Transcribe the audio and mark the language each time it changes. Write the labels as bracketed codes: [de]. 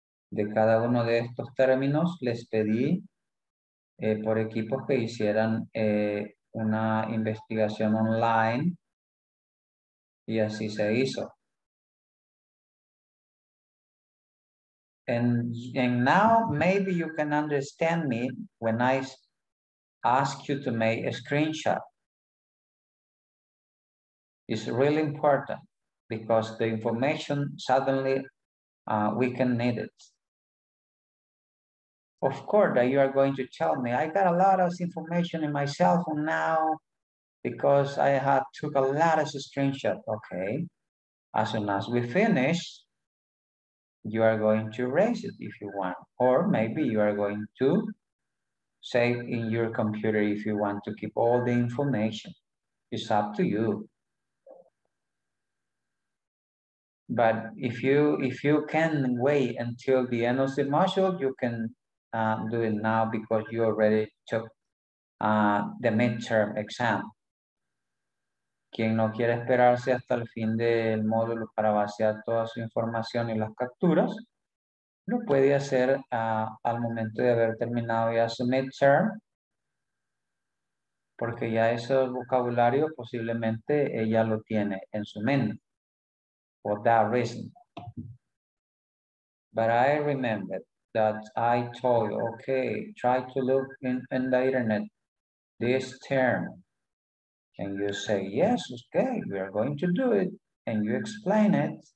[es] De cada uno de estos términos, les pedí por equipos que hicieran una investigación online y así se hizo. [en] And now maybe you can understand me when I ask you to make a screenshot. It's really important because the information suddenly we can need it. Of course, that you are going to tell me, I got a lot of information in my cell phone now because I have took a lot of screenshot. Okay, as soon as we finish, you are going to erase it if you want, or maybe you are going to save in your computer if you want to keep all the information. It's up to you. But if you can wait until the end of the module, you can do it now because you already took the midterm exam. [es] Quien no quiere esperarse hasta el fin del módulo para vaciar toda su información y las capturas, lo puede hacer al momento de haber terminado ya su midterm, porque ya ese vocabulario posiblemente ella lo tiene en su mente. [en] For that reason. But I remember that I told you, okay, try to look in the internet this term. And you say, yes, okay, we are going to do it. And you explain it.